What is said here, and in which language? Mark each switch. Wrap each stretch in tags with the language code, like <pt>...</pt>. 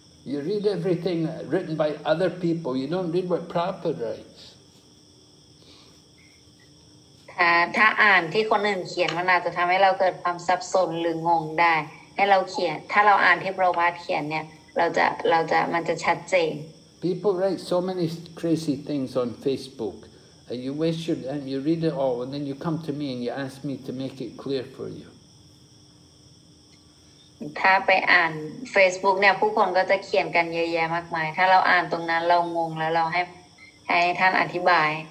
<en>You read everything written by other people. You don't read what Prabhupada writes.</en> <th>ถ้าอ่านที่คนอื่นเขียนมันอาจจะทำให้เราเกิดความสับสนหรืองงได้ให้เราเขียนถ้าเราอ่านที่พระวาทเขียนเนี่ยเราจะมันจะชัดเจน</th> <en>People write so many crazy things on Facebook. You waste your and you read it all, and then you come to me and you ask me to make it clear for you.</en> <th>ถ้าไปอ่าน Facebook เนี่ยผู้คนก็จะเขียนกันเยอะแยะมากมายถ้าเราอ่านตรงนั้นเรางงแล้วเราให้ท่านอธิบาย</th>